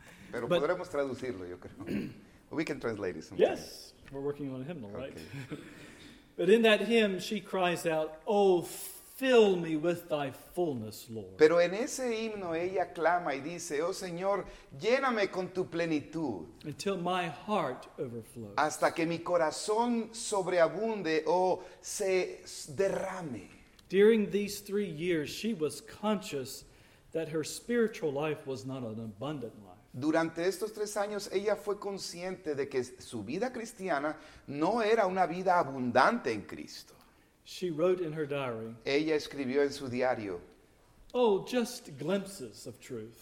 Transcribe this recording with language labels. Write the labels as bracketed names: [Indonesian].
[Spanish] Pero [English] but, [Spanish] podremos traducirlo, yo creo. [English] We can translate it sometime. Yes, we're working on a hymnal, okay. Right? But in that hymn, she cries out, oh, fill me with thy fullness, Lord. [Spanish] Pero en ese himno, ella clama y dice, oh, Señor, lléname con tu plenitud. [English] Until my heart overflows. [Spanish] Hasta que mi corazón sobreabunde o se derrame. [English] During these 3 years, she was conscious that her spiritual life was not an abundant life. [Spanish] Durante estos 3 años, ella fue consciente de que su vida cristiana no era una vida abundante en Cristo. [English] She wrote in her diary, [Spanish] ella escribió en su diario, [English] oh, just glimpses of truth.